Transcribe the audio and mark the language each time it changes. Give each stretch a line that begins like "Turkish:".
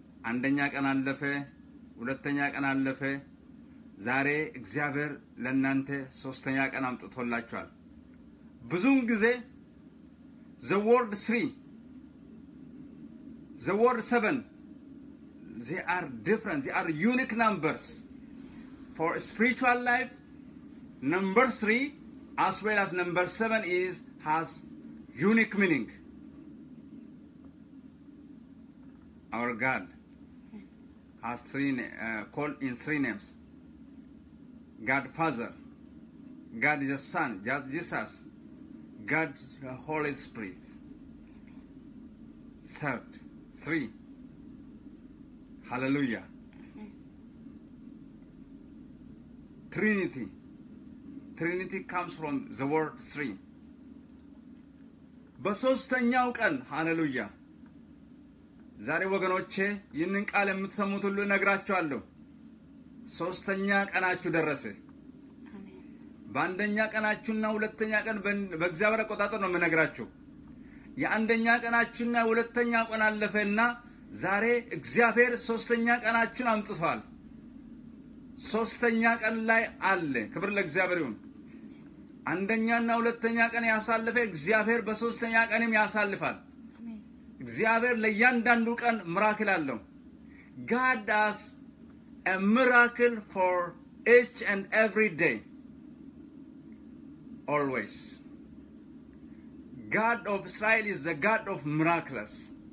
Amharic: አንደኛ ቀን አለፈ፣ ሁለተኛ ቀን አለፈ። ዛሬ እግዚአብሔር ለእናንተ ሶስተኛ ቀን አምጥቶላችኋል። ብዙውን ጊዜ
English: the word 3, the word 7, they are unique numbers for spiritual life. Number 3 as well as number 7 has unique meaning. Our God has called in three names: God Father, God the Son, God Jesus, God the Holy Spirit. Third, three. Hallelujah. Trinity. Trinity comes from the word three.
Amharic: በሶስተኛው ቀን ሃሌሉያ። ዛሬ ወገኖቼ ይህንን ቃል የምትሰሙት ሁሉ ነግራችኋለሁ። ሶስተኛ ቀናችሁ ደረሰ። አሜን። ባንደኛ ቀናችሁና ሁለተኛ ቀን በእግዚአብሔር ቆጣጥ ነው መነግራችሁ። ያንደኛ ቀናችሁና ሁለተኛ ቀን አለፈና ዛሬ እግዚአብሔር ሶስተኛ ቀናችሁን አምጥቷል። ሶስተኛ ቀን ላይ አለ። ክብር ለእግዚአብሔር ይሁን። አንደኛና ሁለተኛ ቀን ያሳለፈ እግዚአብሔር በሶስተኛ ቀንም ያሳልፋል። አሜን። እግዚአብሔር ለእያንዳንዱ ቀን ምራክል አለው።
English: God does a miracle for each and every day. Always. God of Israel is the God of miracles.